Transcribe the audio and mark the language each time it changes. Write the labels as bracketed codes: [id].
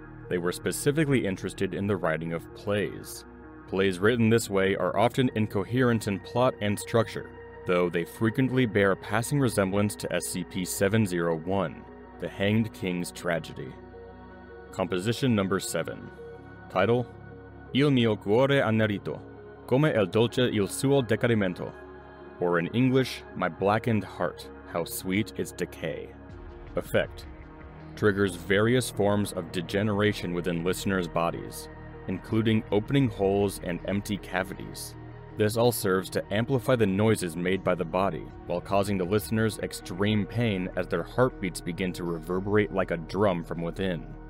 [en] they were specifically interested in the writing of plays. Plays written this way are often incoherent in plot and structure, though they frequently bear a passing resemblance to SCP-701, The Hanged King's Tragedy. Composition number 7. Title: [it] Il mio cuore annerito, come il dolce il suo decadimento. [en] Or in English, My Blackened Heart, How Sweet Its Decay. Effect: triggers various forms of degeneration within listeners' bodies, including opening holes and empty cavities. This all serves to amplify the noises made by the body, while causing the listeners extreme pain as their heartbeats begin to reverberate like a drum from within.